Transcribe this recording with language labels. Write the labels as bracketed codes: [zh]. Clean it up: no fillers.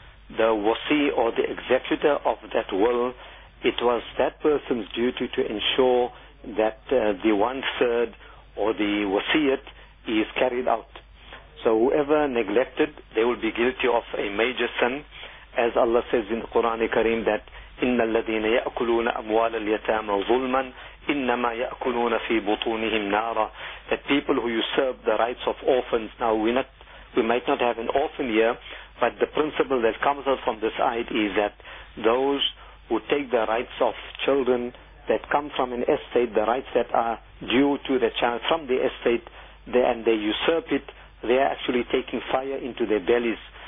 [en] The wasi or the executor of that will, it was that person's duty to ensure that the one-third or the wasiyat is carried out. So whoever neglected, they will be guilty of a major sin. As Allah says in the Quran Kareem that [ar] إِنَّ الَّذِينَ يَأْكُلُونَ أَمْوَالَ الْيَتَامَ ظُلْمًا إِنَّمَا يَأْكُلُونَ فِي بُطُونِهِمْ نَارًا. [en] That people who usurp the rights of orphans, now we might not have an orphan here, but the principle that comes out from this ayat is that those who take the rights of children that come from an estate, the rights that are due to the child from the estate, and they usurp it, they are actually taking fire into their bellies.